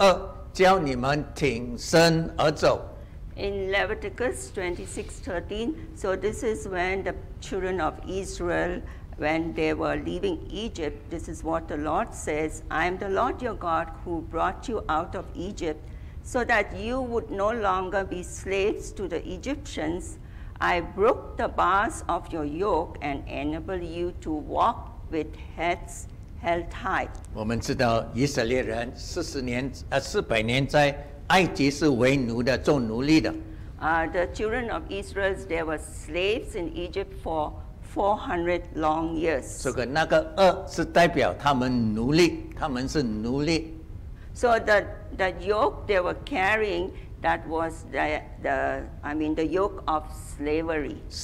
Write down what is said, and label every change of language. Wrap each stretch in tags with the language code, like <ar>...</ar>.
<zh>曾将你们从埃及地领出来，使你们不做埃及人的奴仆。我也折断他们所你们所负的轭，教你们挺身而走。</zh> <en>In Leviticus 26:13, so this is when the children of Israel, when they were leaving Egypt, this is what the Lord says: I am the Lord your God who brought you out of Egypt. So that you would no longer be slaves to the Egyptians, I broke the bars of your yoke and enabled you to walk with heads held high.</en> <zh>我们知道以色列人四百年在埃及是为奴的，做奴隶的。</zh> <en>The children of Israel, they were slaves in Egypt for 400 long years.</en> <zh>这个那个轭是代表他们奴隶，他们是奴隶。</zh> <en>So the yoke they were carrying, that was the yoke of slavery.</en>